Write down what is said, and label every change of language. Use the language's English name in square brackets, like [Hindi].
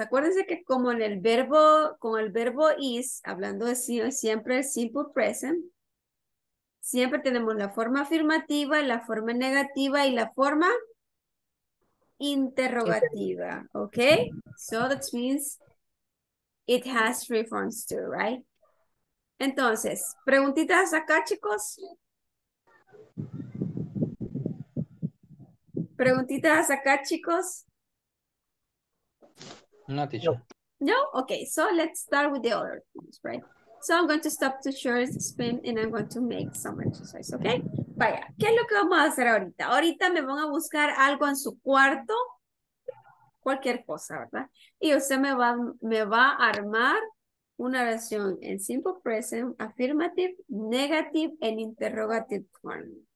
[Spanish] Acuérdense que como en el verbo, con el verbo is, hablando de siempre el simple present, siempre tenemos la forma afirmativa, la forma negativa y la forma interrogativa. [English] Okay? So that means it has three forms too, right? [Spanish] Entonces, preguntitas acá, chicos. Preguntitas acá, chicos. [English] No, teacher. No? Okay, so let's start with the other things, right? So I'm going to stop to share the screen and I'm going to make some exercise, okay? [Spanish] Vaya, ¿qué es lo que vamos a hacer ahorita? Ahorita me van a buscar algo en su cuarto, cualquier cosa, ¿verdad? Y usted me va a armar una oración en simple present, [English] affirmative, negative, and interrogative form.